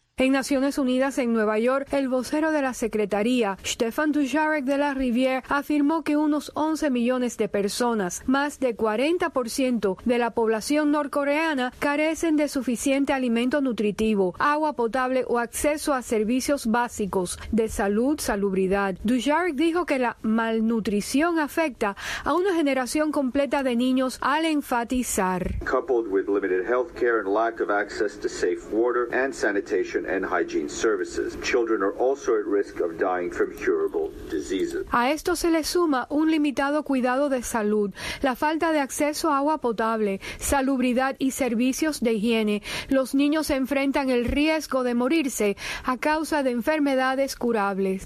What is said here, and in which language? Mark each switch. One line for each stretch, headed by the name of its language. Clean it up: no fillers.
Spanish: En Naciones Unidas, en Nueva York, el vocero de la Secretaría, Stéphane Dujarric de la Rivière, afirmó que unos 11 millones de personas, más de 40% de la población norcoreana, carecen de suficiente alimento nutritivo, agua potable o acceso a servicios básicos de salud, salubridad. Dujarric dijo que la malnutrición afecta a una generación completa de niños al enfatizar.
English: Coupled with limited health care and lack of access to safe water and sanitation. And hygiene services. Children are also at risk of dying from curable diseases.
Spanish: A esto se le suma un limitado cuidado de salud, la falta de acceso a agua potable, salubridad y servicios de higiene. Los niños se enfrentan el riesgo de morirse a causa de enfermedades curables.